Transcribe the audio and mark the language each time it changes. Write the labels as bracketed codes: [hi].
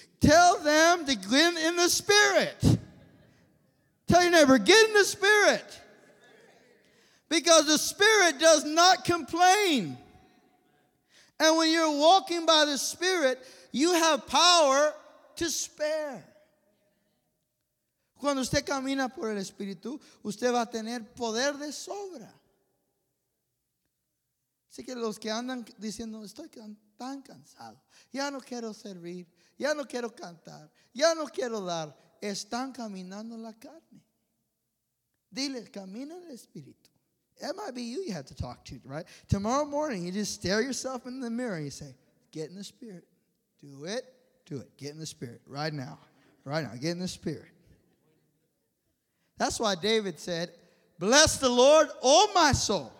[en] Tell them to get in the Spirit. Tell your neighbor, get in the Spirit. Because the Spirit does not complain. And when you're walking by the Spirit, you have power to spare. [es] Cuando usted camina por el Espíritu, usted va a tener poder de sobra. Así que los que andan diciendo, estoy tan cansado, ya no quiero servir, ya no quiero cantar, ya no quiero dar, están caminando la carne. Dile, camina el Espíritu. [en] That might be you have to talk to, right? Tomorrow morning, you just stare yourself in the mirror and you say, get in the Spirit. Do it. Do it. Get in the Spirit. Right now. Right now. Get in the Spirit. That's why David said, bless the Lord, oh my soul.